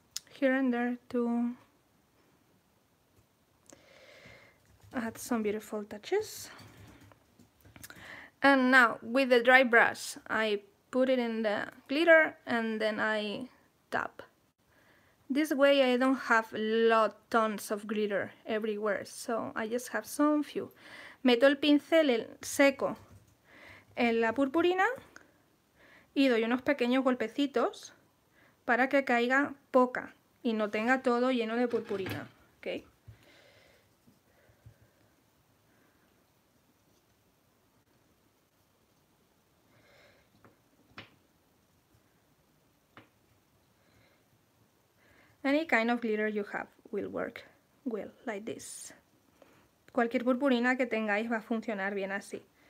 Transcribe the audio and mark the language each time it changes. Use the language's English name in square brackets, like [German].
[English] Here and there to add some beautiful touches. And now with the dry brush, I put it in the glitter and then I tap. This way I don't have tons of glitter everywhere, so I just have some few. [Spanish] Meto el pincel seco en la purpurina y doy unos pequeños golpecitos para que caiga poca y no tenga todo lleno de purpurina, ¿okay? [English] Any kind of glitter you have will work well, like this. [Spanish] Cualquier purpurina que tengáis va a funcionar bien así.